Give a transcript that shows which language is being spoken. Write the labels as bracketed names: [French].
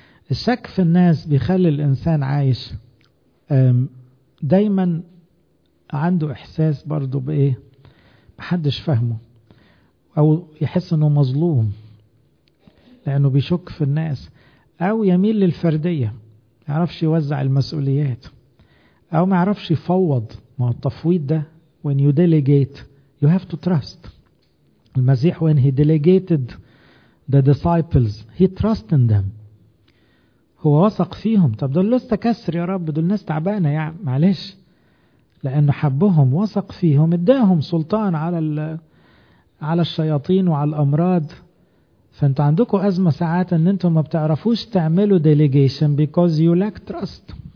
[Arabic] الشك في الناس بيخلي الإنسان عايش دايما عنده إحساس برضو بإيه؟ محدش فهمه، أو يحس أنه مظلوم لأنه بيشك في الناس، أو يميل للفردية، يعرفش يوزع المسؤوليات، أو ما يعرفش يفوض. ما التفويض ده [English] when you delegate you have to trust. المسيح when he delegated the disciples he trust in them، [Arabic] هو وثق فيهم. طب دول لسه كسر يا رب، دول ناس تعبانة يعني، معلش، لأنه حبهم وثق فيهم، اداهم سلطان على الشياطين وعلى الأمراض. فانت عندكم أزمة ساعات ان انتم ما بتعرفوش تعملوا [English] delegation because you lack trust.